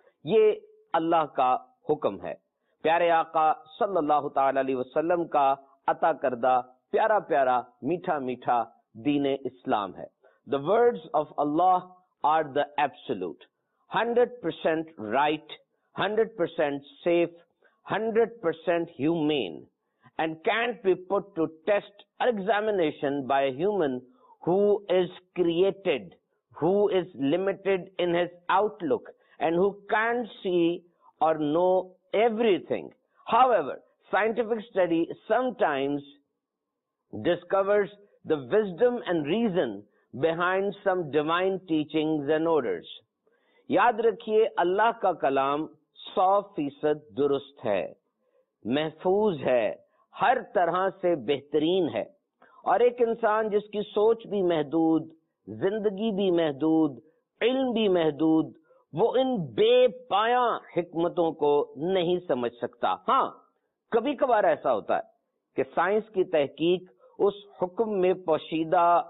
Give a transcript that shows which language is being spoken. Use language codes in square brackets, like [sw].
[ur] یہ اللہ کا حکم ہے، پیارے آقا صلی اللہ تعالی علیہ وسلم کا عطا کردہ پیارا پیارا میٹھا میٹھا دین اسلام ہے۔ [en] The words of Allah are the absolute, 100% right, 100% safe, 100% humane, and can't be put to test or examination by a human who is created, who is limited in his outlook, and who can't see or know everything. However, scientific study sometimes discovers the wisdom and reason behind some divine teachings and orders. [ur] Yaad rakhiye, Allah ka kalam 100% درست ہے، محفوظ ہے، ہر طرح سے بہترین ہے، اور ایک انسان جس کی سوچ بھی محدود، زندگی بھی محدود، علم بھی محدود، وہ ان بے پایا حکمتوں کو نہیں سمجھ سکتا۔ ہاں، کبھی کبھار ایسا ہوتا ہے کہ سائنس کی تحقیق اس حکم میں پوشیدہ